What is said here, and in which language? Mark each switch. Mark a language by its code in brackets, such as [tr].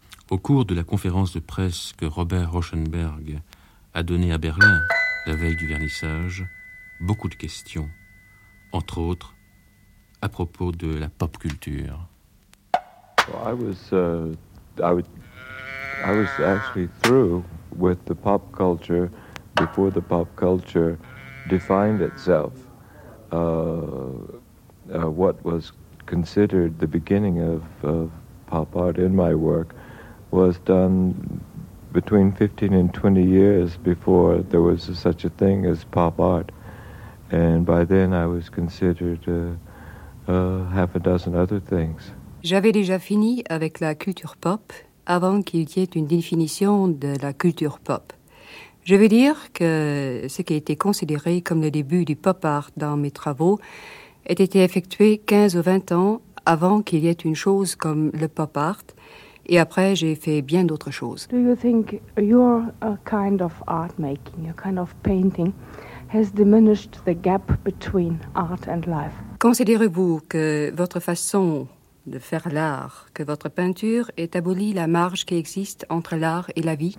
[fr] Au cours de la conférence de presse que Robert Rauschenberg a donnée à Berlin la veille du vernissage, beaucoup de questions, entre autres à propos de la pop culture. [en] I was actually through with the pop culture before the pop culture defined itself. What was considered the beginning of pop art in my work was done between 15 and 20 years before there was such a thing as pop art. And by then I was considered half a dozen other things. [fr] J'avais déjà fini avec la culture pop avant qu'il y ait une définition de la culture pop. Je veux dire que ce qui a été considéré comme le début du pop art dans mes travaux a été effectué 15 ou 20 ans avant qu'il y ait une chose comme le pop art. Et après, j'ai fait bien d'autres choses. [en] Do you think your kind of art making, your kind of painting, has diminished the gap between art and life? [fr] Considérez-vous que votre façon de faire l'art, que votre peinture, ait aboli la marge qui existe entre l'art et la vie?